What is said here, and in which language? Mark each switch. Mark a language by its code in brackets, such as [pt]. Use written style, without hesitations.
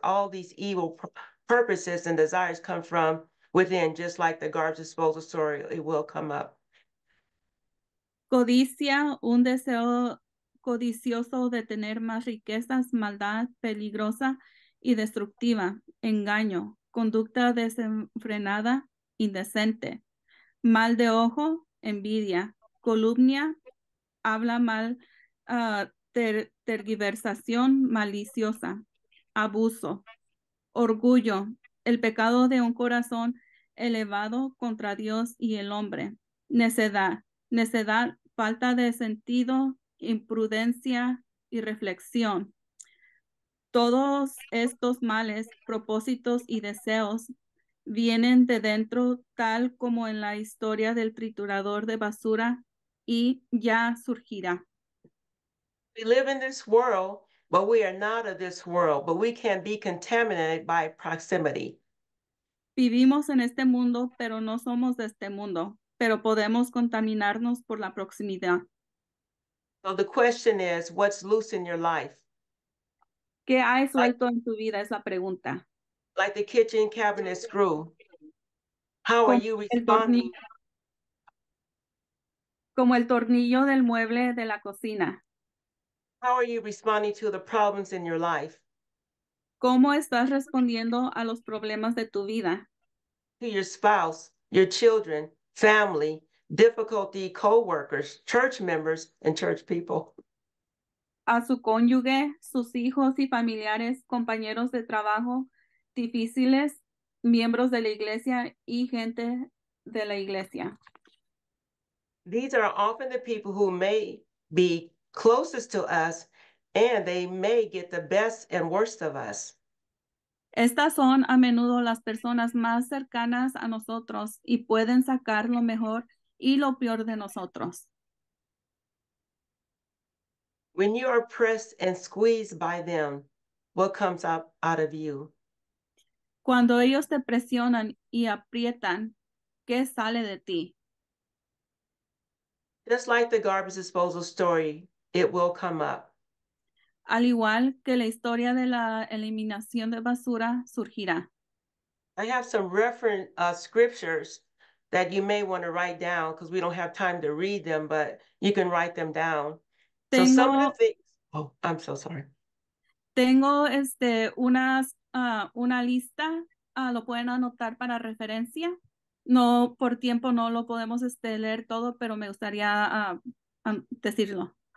[en] All these evil purposes and desires come from within, just like the garbage disposal story, it will come up. [es] Codicia, un deseo codicioso de tener más riquezas, maldad peligrosa y destructiva, engaño, conducta desenfrenada, indecente, mal de ojo, envidia, calumnia, habla mal, tergiversación maliciosa, abuso, orgullo, el pecado de un corazón elevado contra Dios y el hombre, necedad, falta de sentido, imprudencia y reflexión. Todos estos males, propósitos y deseos vienen de dentro, tal como en la historia del triturador de basura, y ya surgirá. [en] We live in this world, but we are not of this world, but we can be contaminated by proximity. [es] Vivimos en este mundo, pero no somos de este mundo, pero podemos contaminarnos por la proximidad. [en] So the question is, what's loose in your life? [es] ¿Qué hay suelto en tu vida? Es la pregunta. [en] Like the kitchen cabinet screw. How are you responding? [es] Como el tornillo del mueble de la cocina. [en] How are you responding to the problems in your life? [es] ¿Cómo estás respondiendo a los problemas de tu vida? [en] To your spouse, your children, family, difficulty, co-workers, church members, and church people. [es] A su cónyuge, sus hijos y familiares, compañeros de trabajo, difíciles, miembros de la iglesia y gente de la iglesia. [en] These are often the people who may be closest to us, and they may get the best and worst of us. [es] Estas son a menudo las personas más cercanas a nosotros y pueden sacar lo mejor y lo peor de nosotros. [en] When you are pressed and squeezed by them, what comes up out of you? [es] Cuando ellos te presionan y aprietan, ¿qué sale de ti? [en] Just like the garbage disposal story, it will come up. [es] Al igual que la historia de la eliminación de basura, surgirá. [en] I have some reference scriptures that you may want to write down because we don't have time to read them, but you can write them down. [es] Tengo, [en] so some of the things, oh, I'm so sorry. [es] Tengo una lista, lo pueden anotar para referencia. No, por tiempo no lo podemos leer todo, pero me gustaría decirlo.